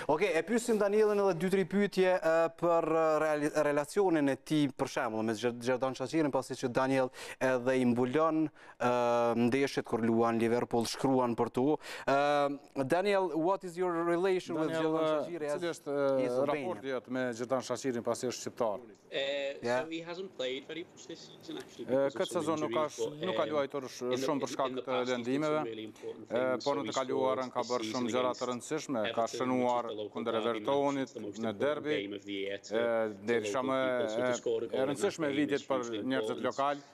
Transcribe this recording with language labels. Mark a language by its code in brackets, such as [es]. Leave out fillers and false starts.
[sq] Okej, e pyesim Danielin edhe 2-3 pyetje për relacionin e tij për shembull me Jordan Shaqirin, pasi që Daniel edhe i mbulon ndeshjet kur luan Liverpool, shkruan për tu. [en] Daniel, what is your relation Daniel, with Jordan Shaqiri? [sq] Cili është raporti jot me Jordan Shaqirin pasi është shqiptar? [en] Yeah. So he hasn't played very much this season actually. [sq] Këtë sezon nuk ka luajtur shumë për shkak të lëndimeve. Por në të kaluarën ka bërë shumë gjëra të rëndësishme, ka shënuar kundër Evertonit në derbi. Derisha më e rëndësishme vitit për njerëzit lokal.